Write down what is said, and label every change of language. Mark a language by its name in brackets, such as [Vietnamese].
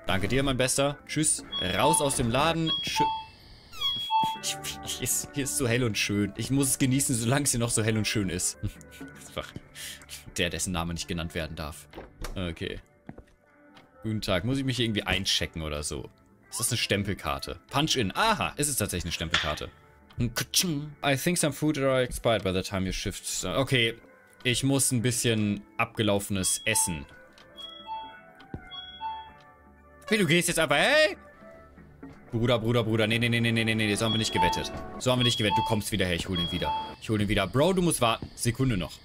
[German] Danke dir, mein Bester. Tschüss. Raus aus dem Laden. Tschüss. Hier ist so hell und schön. Ich muss es genießen, solange es hier noch so hell und schön ist. Einfach der, dessen Name nicht genannt werden darf. Okay. Guten Tag. Muss ich mich irgendwie einchecken oder so? Ist das eine Stempelkarte? Punch in. Aha, ist es tatsächlich eine Stempelkarte. [English] I think some food are expired by the time you shift. [German] Okay, ich muss ein bisschen abgelaufenes essen. Hey, du gehst jetzt einfach, hey! Bruder, Bruder, Bruder, nee, nee, nee, nee, nee, nee, so haben wir nicht gewettet. So haben wir nicht gewettet, du kommst wieder her, ich hol ihn wieder. Ich hol ihn wieder. Bro, du musst warten. Sekunde noch.